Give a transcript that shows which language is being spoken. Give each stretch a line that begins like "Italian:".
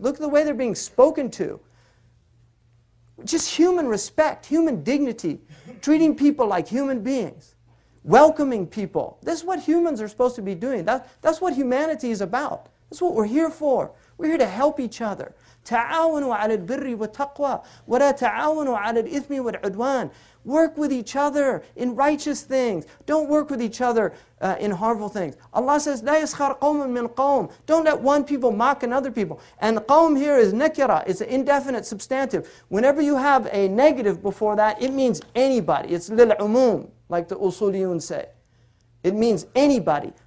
English: Look at the way they're being spoken to. Just human respect, human dignity, treating people like human beings, welcoming people. This is what humans are supposed to be doing. That's what humanity is about. That's what we're here for. We're here to help each other.
Arabic: تَعَاوَنُوا عَلَى الْبِرِّ وَتَقْوَى وَلَا تَعَاوَنُوا عَلَى الْإِثْمِ وَالْعُدْوَانِ
English: Work with each other in righteous things. Don't work with each other in harmful things. Allah says,
Arabic: لَا يَسْخَرْ قَوْمٌ مِّن قَوْمٍ
English: Don't let one people mock another people. And qawm here is nakira. It's an indefinite substantive. Whenever you have a negative before that, it means anybody. It's lil'umum, like the usuliyun say. It means anybody.